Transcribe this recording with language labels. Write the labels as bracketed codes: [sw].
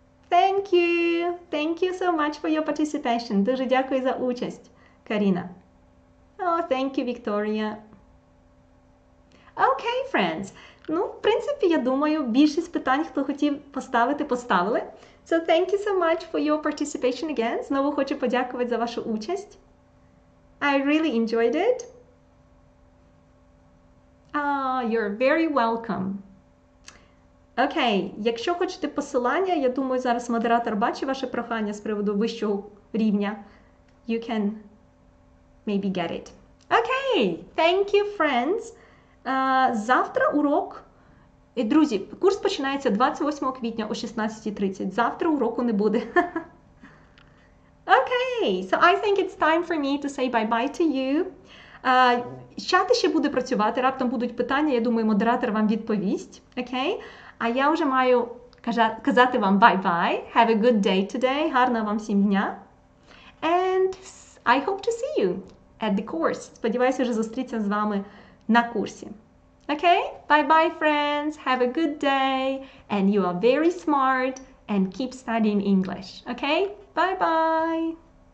[en] Thank you so much for your participation. [uk] Дуже дякую за участь, Каріна. [en] Oh, thank you, Victoria. Okay, friends. [uk] В принципі, я думаю, більшість питань, хто хотів поставити, поставили. [en] So, thank you so much for your participation again. [uk] Знову хочу подякувати за вашу участь. [en] I really enjoyed it. You're very welcome. [uk] Окей, якщо хочете посилання, я думаю, зараз модератор бачить ваше прохання з приводу вищого рівня. [en] You can maybe get it. Окей, thank you, friends. [uk] Завтра урок. І, друзі, курс починається 28 квітня о 16:30. Завтра уроку не буде. [en] Окей, so I think it's time for me to say bye-bye to you. [uk] Чати ще буде працювати, раптом будуть питання, я думаю, модератор вам відповість. Окей? А я вже маю казати вам bye-bye. [en] Have a good day today. [uk] Гарного вам всім дня. [en] And I hope to see you at the course. [uk] Сподіваюся, вже зустрітися з вами на курсі. [en] Okay? Bye-bye, friends. Have a good day. And you are very smart. And keep studying English. Okay? Bye-bye.